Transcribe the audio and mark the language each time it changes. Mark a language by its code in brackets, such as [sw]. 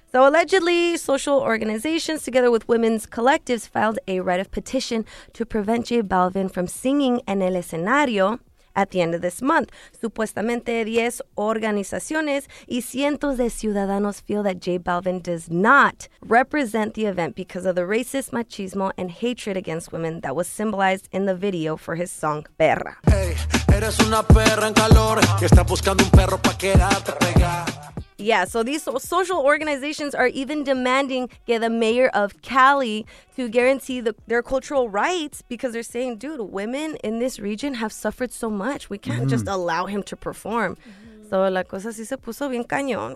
[en] So allegedly, social organizations together with women's collectives filed a writ of petition to prevent J Balvin from singing [es] en el escenario. [en] at the end of this month. [es] Supuestamente 10 organizaciones y cientos de ciudadanos [en] feel that J Balvin does not represent the event because of the racist machismo and hatred against women that was symbolized in the video for his song Perra. [es] Hey, eres una perra en calor que está buscando un perro pa' quedarte pegar. [en] Yeah, so these social organizations are even demanding get the mayor of Cali to guarantee their cultural rights because they're saying, dude, women in this region have suffered so much. We can't just allow him to perform. [es] So la cosa sí se puso bien cañón.